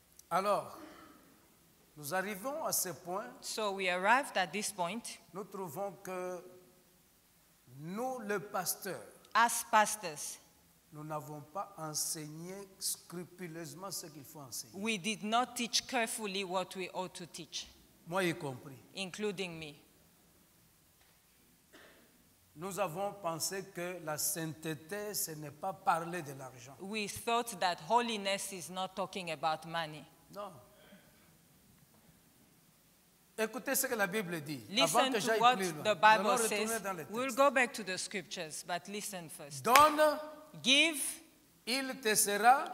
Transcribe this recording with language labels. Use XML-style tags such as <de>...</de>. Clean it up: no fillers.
<fr>Alors. Nous arrivons à ce point.</fr> <en>So we arrived at this point.</en> <fr>Nous trouvons que nous, le pasteur,</fr> <en>as pastors,</en> <fr>nous n'avons pas enseigné scrupuleusement ce qu'il faut enseigner.</fr> <en>We did not teach carefully what we ought to teach.</en> <fr>Moi y compris.</fr> <en>Including me.</en> <fr>Nous avons pensé que la sainteté, ce n'est pas parler de l'argent.</fr> <en>We thought that holiness is not talking about money.</en> <fr>Non. Écoutez ce que la Bible dit.</fr> <en>Listen</en> <fr>avant que</fr> <en>to what the Bible</en> <fr>nous</fr> <en>says. We'll go back to the scriptures, but listen first.</en> <fr>Donne,</fr> <en>give,</en> <fr>il te sera,</fr>